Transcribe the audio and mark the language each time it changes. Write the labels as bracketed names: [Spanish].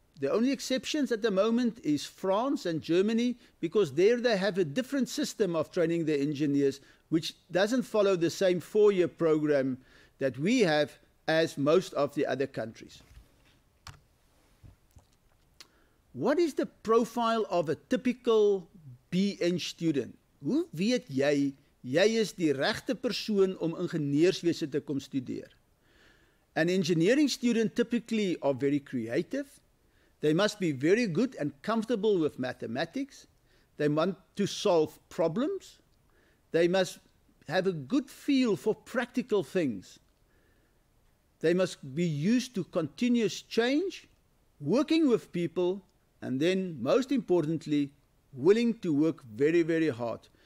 [English] The only exceptions at the moment is France and Germany, because there they have a different system of training the engineers, which doesn't follow the same four-year program that we have as most of the other countries. What is the profile of a typical BN student? [Afrikaans] Hoe weet jy, jy is die regte persoon om ingenieurswese te kom studeer? [English] An engineering student typically are very creative. They must be very good and comfortable with mathematics. They want to solve problems. They must have a good feel for practical things. They must be used to continuous change, working with people, and then, most importantly, willing to work very, very hard.